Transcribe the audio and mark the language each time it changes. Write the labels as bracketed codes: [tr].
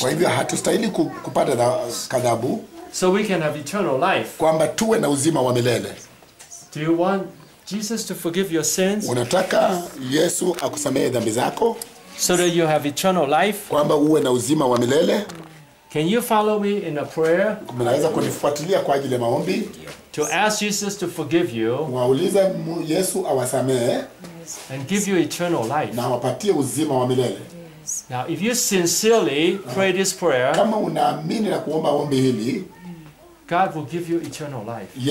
[sw] Kwa hivyo hatustahili kupata adhabu. [en] So we can have eternal life. [sw] Kwamba tuwe na uzima wa milele. [en] Do you want Jesus to forgive your sins? [sw] Unataka Yesu akusamehe dhambi zako? [en] So that you have eternal life. [sw] Kwamba uwe na uzima wa milele. [en] Can you follow me in a prayer? [sw] Mnaweza kunifuatilia kwa ajili ya maombi. [en] To ask Jesus to forgive you. [sw] Waulize Yesu awasamehe. [en] And give you eternal life. [sw] Na wapatie uzima wa milele. [en] Now, if you sincerely pray this prayer, [sw] kama unaamini na kuomba ombi hili, [en] God will give you eternal life.